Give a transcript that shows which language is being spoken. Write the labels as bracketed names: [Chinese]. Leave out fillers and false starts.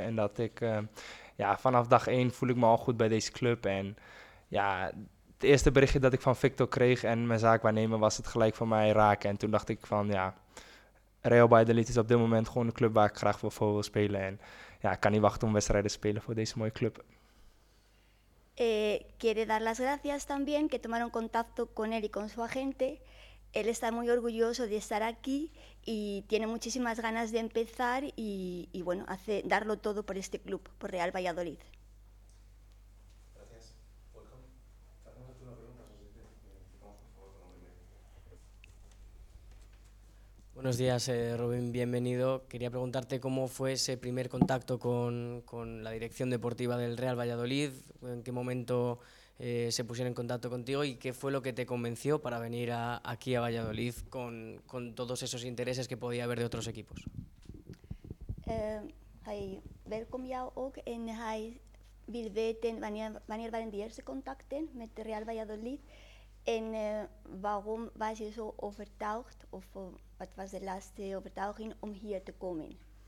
[Dutch] En dat ik vanaf dag 1 voel ik me al goed bij deze club. En ja, het eerste berichtje dat ik van Victor kreeg en mijn zaakwaarnemer was het gelijk voor mij raken. En toen dacht ik van ja, Real Valladolid is op dit moment gewoon een club waar ik graag voor wil spelen. En ja, ik kan niet wachten om wedstrijden te spelen voor deze mooie club. [Spanish] Quiere dar las gracias también que tomaron contacto con él y con su agente. Él está muy orgulloso de estar aquí y tiene muchísimas ganas de empezar y bueno, hace darlo todo por este club, por Real Valladolid. Buenos días, Robin, bienvenido. Quería preguntarte cómo fue ese primer contacto con la dirección deportiva del Real Valladolid, en qué momento se pusieron en contacto contigo y qué fue lo que te convenció para venir aquí a Valladolid con todos esos intereses que podía haber de otros equipos. [Dutch] Hij welkom jou ook en hij wil weten wanneer waren de eerste contacten met Real Valladolid en waarom was je zo overtuigd of wat was de laatste overtuiging om hier te komen?